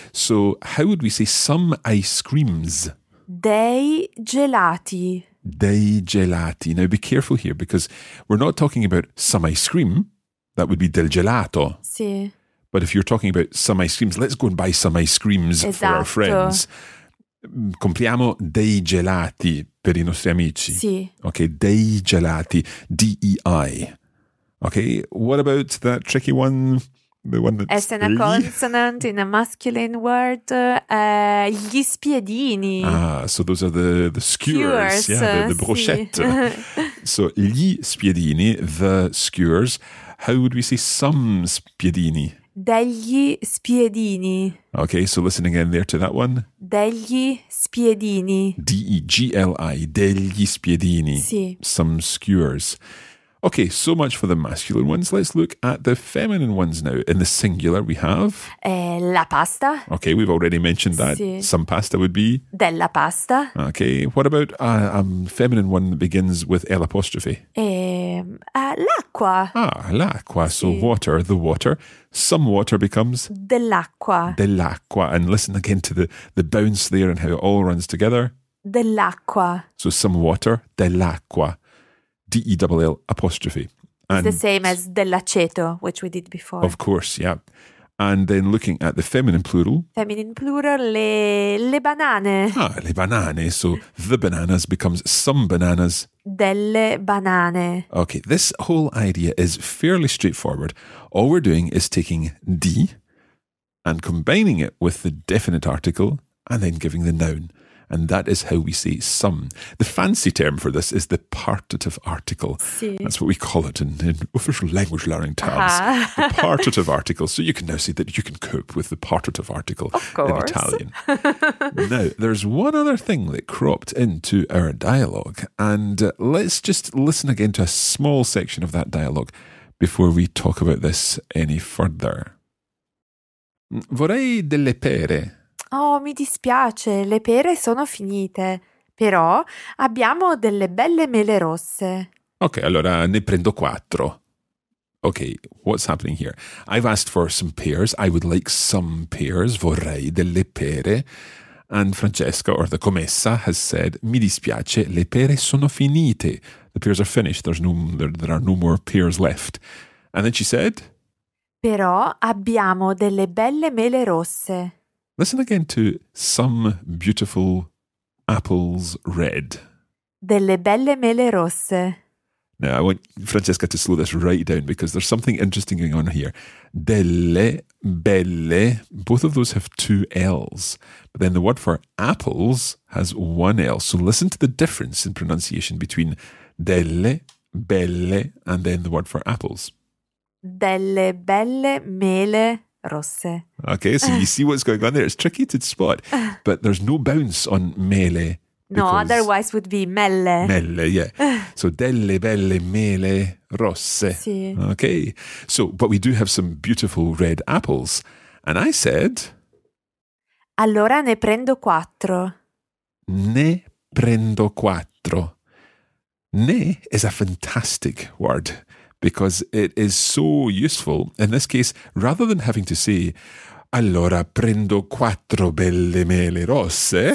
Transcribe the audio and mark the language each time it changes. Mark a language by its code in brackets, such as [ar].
[en] So how would we say some ice creams? [it] Dei gelati. Dei gelati. [en] Now be careful here because we're not talking about some ice cream. That would be [it] del gelato. Sì. [en] But if you're talking about some ice creams, let's go and buy some ice creams, [it] esatto, [en] for our friends. [it] Compriamo dei gelati per i nostri amici. Sì. Okay, dei gelati, D-E-I. [en] Okay, what about that tricky one? The one that's S and a consonant in a masculine word. [it] Gli spiedini. [en] Ah, so those are the skewers. Skewers, yeah, the brochette. [it] Sì. [en] So [it] gli spiedini, [en] the skewers. How would we say some spiedini? [it] Degli spiedini. [en] Okay, so listen again there to that one. [it] Degli spiedini. D-E-G-L-I. Degli spiedini. Sì. [en] Some skewers. Okay, so much for the masculine ones. Let's look at the feminine ones now. In the singular, we have... [it] La pasta. [en] Okay, we've already mentioned that. [it] Sì. [en] Some pasta would be... [it] Della pasta. [en] Okay, what about a feminine one that begins with L apostrophe? [it] L'acqua. [en] Ah, [it] l'acqua. [en] So sì, water, the water. Some water becomes... [it] Dell'acqua. Dell'acqua. [en] And listen again to the bounce there and how it all runs together. [it] Dell'acqua. [en] So some water, dell'acqua. D-E-L-L apostrophe. And it's the same as dell'aceto, which we did before. Of course, yeah. And then looking at the feminine plural. Feminine plural, [it] le banane. Ah, le banane. [en] So the bananas becomes some bananas. [it] Delle banane. [en] Okay, this whole idea is fairly straightforward. All we're doing is taking D and combining it with the definite article and then giving the noun. And that is how we say some. The fancy term for this is the partitive article. [it] Sì. [en] That's what we call it in official language learning terms. Uh-huh. The partitive article. So you can now see that you can cope with the partitive article in Italian. Now, there's one other thing that cropped into our dialogue. And let's just listen again to a small section of that dialogue before we talk about this any further. [it] Vorrei delle pere. Oh, mi dispiace, le pere sono finite. Però abbiamo delle belle mele rosse. Ok, allora ne prendo quattro. [en] Ok, what's happening here? I've asked for some pears. I would like some pears. [it] Vorrei delle pere. [en] And Francesca, or the commessa, has said, [it] mi dispiace, le pere sono finite. [en] The pears are finished. There are no more pears left. And then she said? [it] Però abbiamo delle belle mele rosse. [en] Listen again to some beautiful apples red. [it] Delle belle mele rosse. [en] Now, I want Francesca to slow this right down because there's something interesting going on here. Delle, belle, both of those have two L's. But then the word for apples has one L. So listen to the difference in pronunciation between delle, belle, and then the word for apples. [it] Delle belle mele rosse. [en] Okay, so you see what's going on there. It's tricky to spot, but there's no bounce on mele. No, otherwise would be melle. Melle, yeah. [it] So delle belle mele rosse. Sì. [en] Okay, so, but we do have some beautiful red apples. And I said... [it] Allora ne prendo quattro. Ne prendo quattro. [en] Ne is a fantastic word. Because it is so useful. In this case, rather than having to say, [it] allora prendo quattro belle mele rosse,